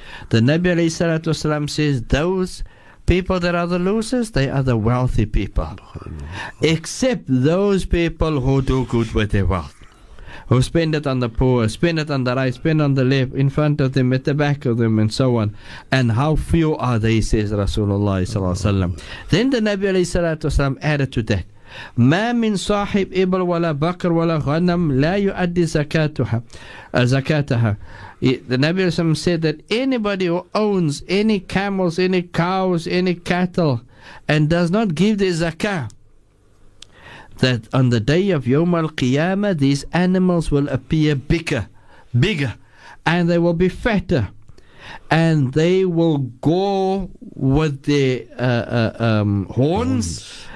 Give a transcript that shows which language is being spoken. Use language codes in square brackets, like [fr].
[en] The Nabi alayhi salatu wasalam says, those people that are the losers, they are the wealthy people. Except those people who do good with their wealth. Who spend it on the poor, spend it on the right, spend on the left, in front of them, at the back of them, and so on. And how few are they, says Rasulullah sallallahu alayhi wa sallam. Then the Nabi alayhi salatu wa sallam added to that, [ar] مَا مِن صَاحِبْ إِبْلْ وَلَا بَقْرْ وَلَا غَنَمْ لَا يُؤَدِّ زَكَاتَهَا. [en] The Nabi alayhi salatu wa sallam said that anybody who owns any camels, any cows, any cattle, and does not give the zakah, that on the day of Yawm al-Qiyamah, these animals will appear bigger, and they will be fatter, and they will gore with their horns.